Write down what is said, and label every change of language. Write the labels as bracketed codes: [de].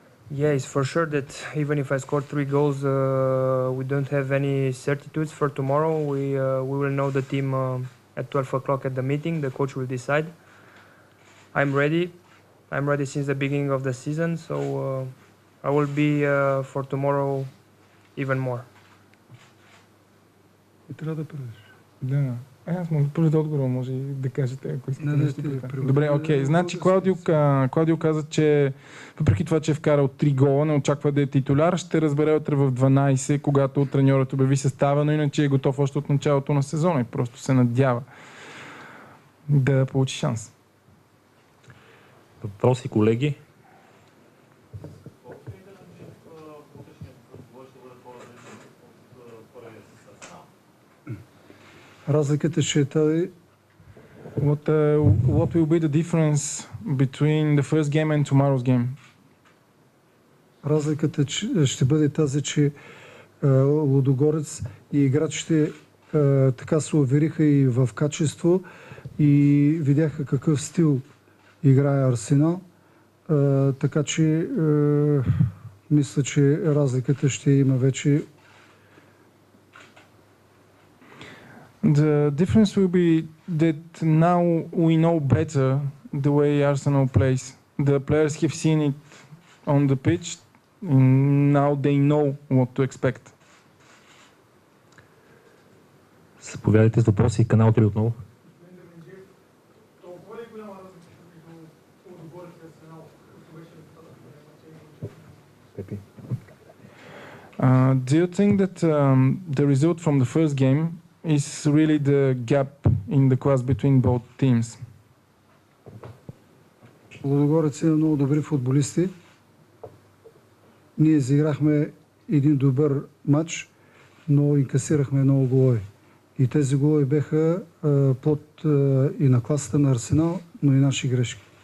[en] Yeah, it's for sure that even if I scored 3 goals, we don't have any certitudes for tomorrow. We will know the team at 12 o'clock at the meeting. The coach will decide. I'm ready since the beginning of the season, so I will be for tomorrow even more. [bg] Трябва да правиш. Да. Аз мога първи отговор, може да кажете, ако искате. Не, добре, окей. Значи Клаудио каза, че въпреки това, че е вкарал 3 гола, не очаква да е титуляр, ще разбере утре в 12, когато треньорът обяви състава, но иначе е готов още от началото на сезона и просто се надява да получи шанс. Въпроси, колеги. Разликата ще е тази. [en] What will be the difference between the first game and tomorrow's game? [bg] Разликата ще бъде тази, че Лудогорец и играчите така се увериха и в качество и видяха какъв стил играе Арсенал, така че мисля, че разликата ще има вече. [en] The difference will be that now we know better the way Arsenal plays. The players have seen it on the pitch, now they know what to expect. [bg] Заповядайте с въпроси, Канал 3 отново. [en] Do you think that the result from the first game is really the gap in the class between both teams? [bg] Лудогорец има много добри футболисти. Ние изиграхме един добър матч, но инкасирахме много голове. И тези голове беха плод и на класата на Арсенал, но и наши грешки.